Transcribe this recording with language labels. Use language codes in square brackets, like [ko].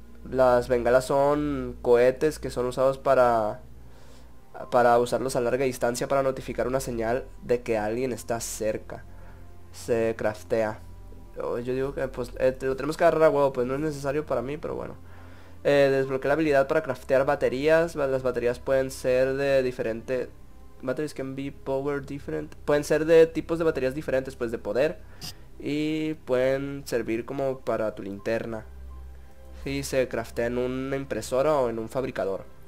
[es] Las bengalas son cohetes que son usados para usarlos a larga distancia para notificar una señal de que alguien está cerca. Se craftea. Yo digo que pues lo tenemos que agarrar a huevo, pues no es necesario para mí, pero bueno. Desbloqueé la habilidad para craftear baterías. Las baterías pueden ser de diferente. [en] Batteries can be powered different. [es] Pueden ser de tipos de baterías diferentes, pues de poder. Y pueden servir como para tu linterna. Si se craftea en una impresora o en un fabricador.